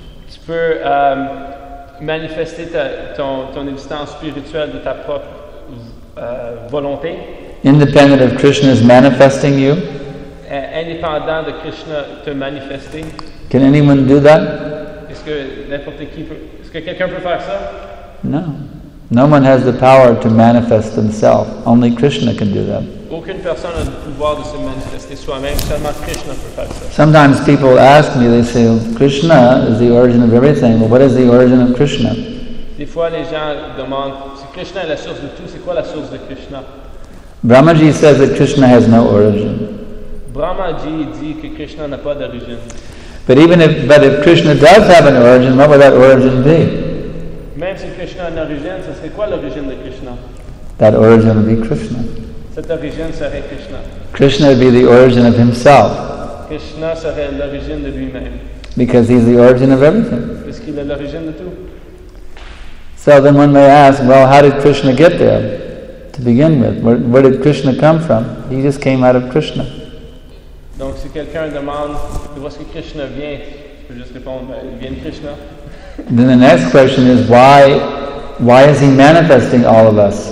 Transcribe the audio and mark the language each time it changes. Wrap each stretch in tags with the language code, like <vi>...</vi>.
<fr>Tu peux manifester ton existence spirituelle de ta propre volonté.</fr> <en>Independent of Krishna's manifesting you.</en> <fr>Indépendant de Krishna te manifester.</fr> <en>Can anyone do that?</en> <fr>Est-ce que quelqu'un peut faire ça?</fr> <en>No. No one has the power to manifest themselves. Only Krishna can do that.</en> <fr>Aucune personne a le pouvoir de se manifester soi-même. Seulement Krishna peut faire ça.</fr> <en>Sometimes people ask me, they say, Krishna is the origin of everything. Well, what is the origin of Krishna?</en> <fr>Des fois les gens demandent, si Krishna est la source de tout, c'est quoi la source de Krishna?</fr> <en>Brahmaji says that Krishna has no origin.</en> <fr>Brahmaji dit que Krishna n'a pas d'origine.</fr> <en>But if Krishna does have an origin, what would that origin be?</en> <fr>Même si Krishna a une origine, ce serait quoi l'origine de Krishna?</fr> <en>That origin would be Krishna.</en> <fr>Cette origine serait Krishna.</fr> <en>Krishna would be the origin of himself.</en> <fr>Krishna serait l'origine de lui-même.</fr> <en>Because he's the origin of everything.</en> <fr>Parce qu'il est l'origine de tout.</fr> <en>So then one may ask, well, how did Krishna get there to begin with? Where did Krishna come from? He just came out of Krishna.</en> <fr>Donc si quelqu'un demande de où est-ce que Krishna vient, je peux juste répondre, ben, il vient de Krishna.</fr> <en>Then the next question is why is he manifesting all of us?</en>